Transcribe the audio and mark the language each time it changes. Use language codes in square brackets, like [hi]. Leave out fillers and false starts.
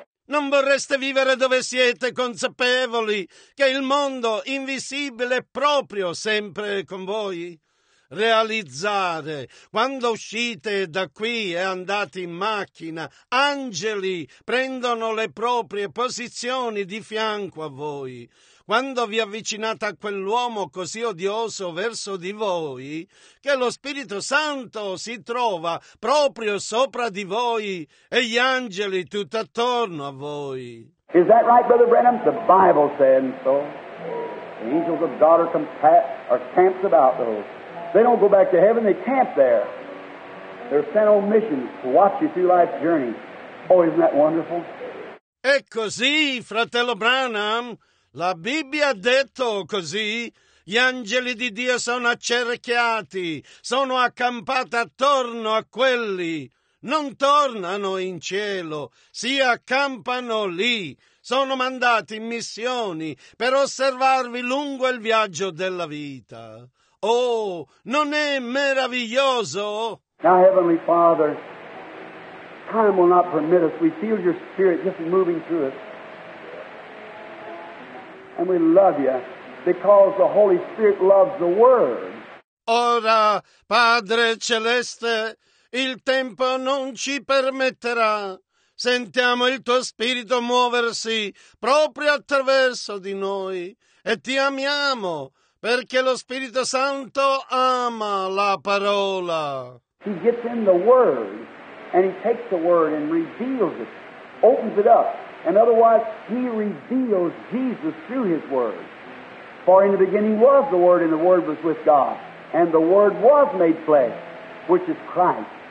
[it] Non vorreste vivere dove siete consapevoli che il mondo invisibile è proprio sempre con voi? Realizzare, quando uscite da qui e andate in macchina, angeli prendono le proprie posizioni di fianco a voi. Quando vi avvicinate a quell'uomo così odioso verso di voi, che lo Spirito Santo si trova proprio sopra di voi e gli angeli tutt'attorno a voi. [en] Is that right, Brother Branham? The Bible says so. The angels of God are camped about those. They don't go back to heaven, they camp there. They're sent on missions to watch you through life's journey. Oh, isn't that wonderful? [it] È così, fratello Branham. La Bibbia ha detto così. Gli angeli di Dio sono accerchiati, sono accampati attorno a quelli. Non tornano in cielo, si accampano lì. Sono mandati in missioni per osservarvi lungo il viaggio della vita. Oh, non è meraviglioso? [en] Now, Heavenly Father, time will not permit us. We feel your Spirit just moving through us. And we love you. because the Holy Spirit loves the Word. [it] Ora, Padre Celeste, il tempo non ci permetterà. Sentiamo il tuo spirito muoversi proprio attraverso di noi e ti amiamo perché lo Spirito Santo ama la parola. [en] He gets in the Word and he takes the Word and reveals it, opens it up. In other words, he reveals Jesus through his Word. For in the beginning was the Word, and the Word was with God, and the Word was made flesh, which is Christ.